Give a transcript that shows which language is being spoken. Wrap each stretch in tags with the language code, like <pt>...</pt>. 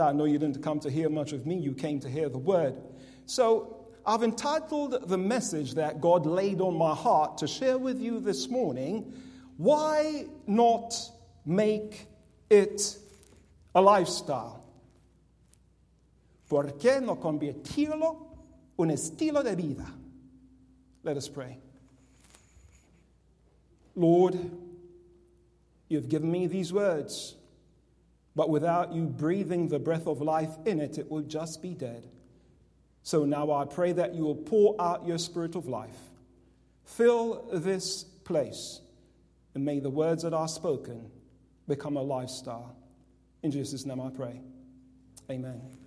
<en>I know you didn't come to hear much of me. You came to hear the Word. So I've entitled the message that God laid on my heart to share with you this morning, Why Not Make It a Lifestyle?</en> <es>¿Por qué no convertirlo un estilo de vida?</es> <en>Let us pray. Lord, you've given me these words, but without you breathing the breath of life in it, it will just be dead. So now I pray that you will pour out your spirit of life. Fill this place, and may the words that are spoken become a lifestyle. In Jesus' name I pray. Amen.</en>